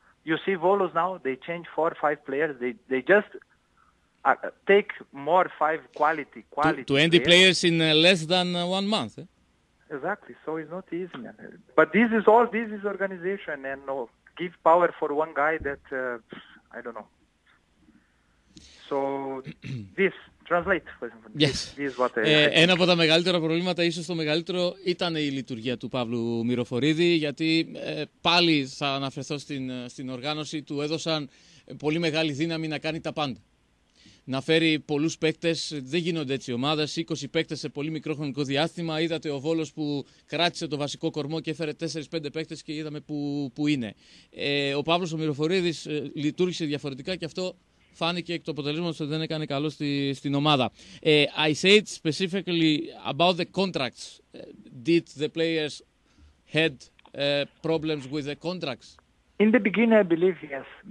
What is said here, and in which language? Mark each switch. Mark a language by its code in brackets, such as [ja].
[en] You see Volos now, they change 4 or 5 players. They just take more 5 quality 20 players in less than 1 month, eh? Exactly. So it's not easy, man. But this is all. This is organization, and give power for one guy that I don't know. So this translate, for example. Yes. This is what [el] ένα από τα μεγαλύτερα προβλήματα, ίσως το μεγαλύτερο, ήταν η λειτουργία του Παύλου Μυροφορίδη, γιατί πάλι θα αναφερθώ στην οργάνωση, του έδωσαν πολύ μεγάλη δύναμη να κάνει τα πάντα. Να φέρει πολλούς παίκτες, δεν γίνονται έτσι ομάδες, 20 παίκτες σε πολύ μικρό χρονικό διάστημα. Είδατε ο Βόλος που κράτησε το βασικό κορμό και έφερε 4-5 παίκτες και είδαμε που είναι. Ο Παύλος ο Μυροφορίδης λειτουργήσε διαφορετικά και αυτό φάνηκε εκ του αποτελέσματος ότι δεν έκανε καλό στην ομάδα. [en] I said specifically about the contracts. Did the players had problems with the contracts? In the beginning, I believe yes.